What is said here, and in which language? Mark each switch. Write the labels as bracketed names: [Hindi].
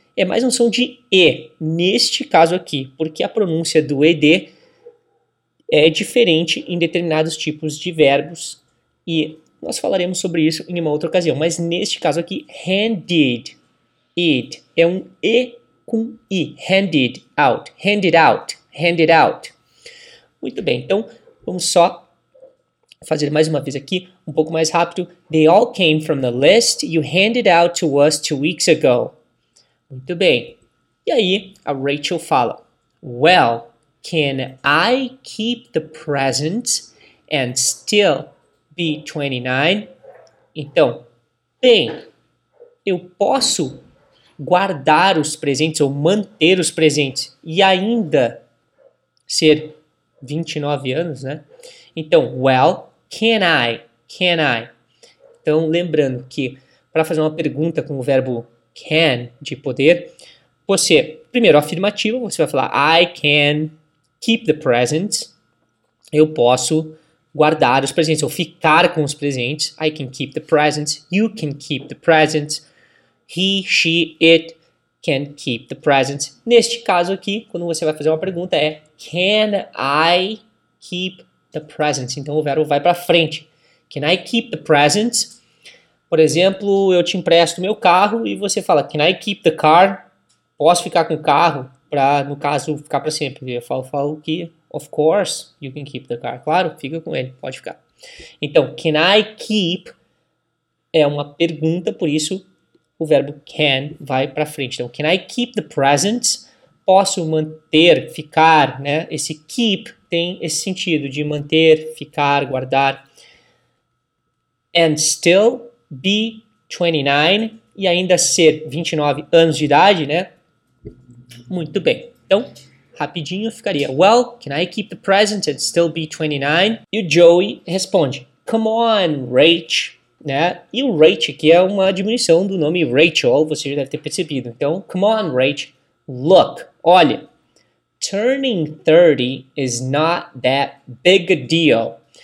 [Portuguese] É mais um som de E, neste caso aqui, porque a pronúncia do ED é diferente em determinados tipos de verbos, e nós falaremos sobre isso em uma outra ocasião, mas neste caso aqui, handed, it, é um E com I, [English] handed out, handed out, handed out. [Portuguese] Muito bem, então vamos só fazer mais uma vez aqui, um pouco mais rápido. [English] They all came from the list you handed out to us 2 weeks ago. [Portuguese] Muito bem. E aí, a Rachel fala, [English] well, can I keep the presents and still be 29? [Portuguese] Então, bem, eu posso guardar os presentes ou manter os presentes e ainda ser 29 anos, né? Então, [English] well, can I? [Portuguese] Então, lembrando que para fazer uma pergunta com o verbo can, de poder, você, primeiro afirmativa, você vai falar [English] I can keep the presents, [Portuguese] eu posso guardar os presentes, ou ficar com os presentes, I can keep the presents, [English] you can keep the presents, [Portuguese] he, she, it can keep the presents. Neste caso aqui, quando você vai fazer uma pergunta é [English] can I keep the presents, [Portuguese] então o verbo vai para frente, can I keep the presents? Por exemplo, eu te empresto meu carro e você fala, [English] can I keep the car? [Portuguese] Posso ficar com o carro? Para, no caso, ficar para sempre. Eu falo que, [English] of course, you can keep the car. [Portuguese] Claro, fica com ele, pode ficar. Então, [English] can I keep [Portuguese] é uma pergunta, por isso o verbo can vai para frente. Então, [English] can I keep the presents? [Portuguese] Posso manter, ficar, né? Esse keep tem esse sentido de manter, ficar, guardar. [English] And still be 29 [Portuguese] e ainda ser 29 anos de idade, né? Muito bem. Então, rapidinho ficaria, [English] well, can I keep the presents and still be 29? [Portuguese] E o Joey responde, [English] come on, Rach, [Portuguese] né? E o Rach aqui é uma diminuição do nome Rachel, você já deve ter percebido. Então, [English] come on, Rach, look, [Portuguese] olha, [English] turning 30 is not that big a deal.